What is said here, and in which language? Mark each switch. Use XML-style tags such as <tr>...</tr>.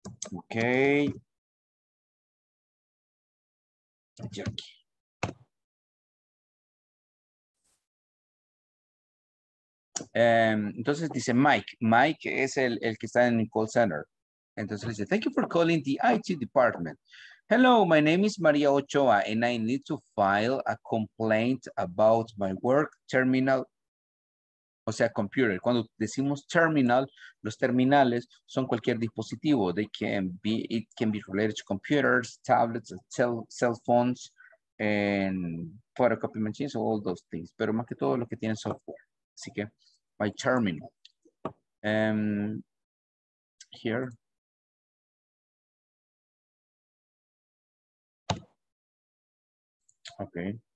<es>Ok. Aquí. Entonces dice Mike. Mike es el que está en el call center. Entonces dice,</es> <en>thank you for calling the IT department. Hello, my name is Maria Ochoa, and I need to file a complaint about my work terminal,</en> <es>o sea,</es> <en>computer.</en> <es>Cuando decimos terminal, los terminales son cualquier dispositivo.</es> <en>It can be related to computers, tablets, cell phones, and photocopy machines, all those things.</en> <es>Pero más que todo lo que tiene software. Así que,</es> <en>my terminal. Here. Okay.</en>